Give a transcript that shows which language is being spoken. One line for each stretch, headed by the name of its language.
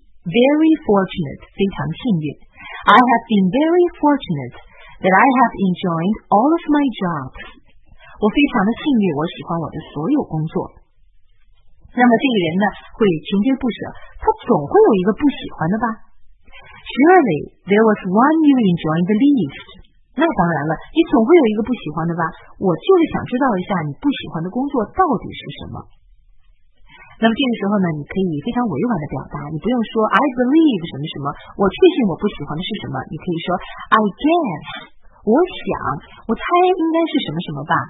English: Very fortunate,
Chinese: 非常幸运。
English: I have been very fortunate that I have enjoyed all of my jobs.
Chinese: 我非常的幸运，我喜欢我的所有工作。那么这个人呢，会穷追不舍，他总会有一个不喜欢的吧
English: ？Surely there was one you enjoyed the least.
Chinese: 那当然了，你总会有一个不喜欢的吧？我就是想知道一下你不喜欢的工作到底是什么。那么这个时候呢，你可以非常委婉的表达，你不用说
English: I believe
Chinese: 什么什么，我确信我不喜欢的是什么，你可以说
English: I guess，
Chinese: 我想，我猜应该是什么什么吧。